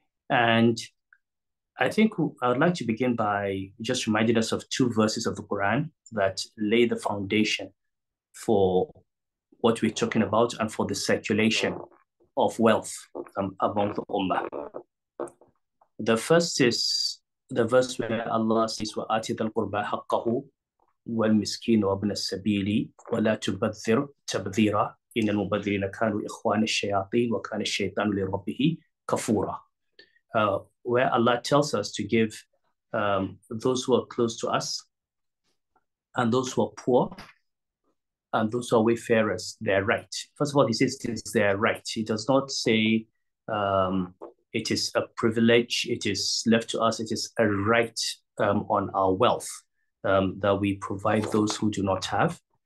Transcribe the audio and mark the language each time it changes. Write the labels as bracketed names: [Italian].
[English] And I think I would like to begin by just reminding us of two verses of the Quran that lay the foundation for what we're talking about and for the circulation of wealth among the Ummah. The first is the verse where Allah says, [Arabic] وَآتِ ذَا الْقُرْبَى حَقَّهُ والمسكين وابن السبيل ولا تبذر تبذيرا إن المبذرين كانوا إخوان الشياطين وكان الشيطان لربه كفورا. [English] Where Allah tells us to give those who are close to us and those who are poor and those who are wayfarers their right. First of all, he says it is their right. He does not say it is a privilege, it is left to us, it is a right on our wealth that we provide those who do not have.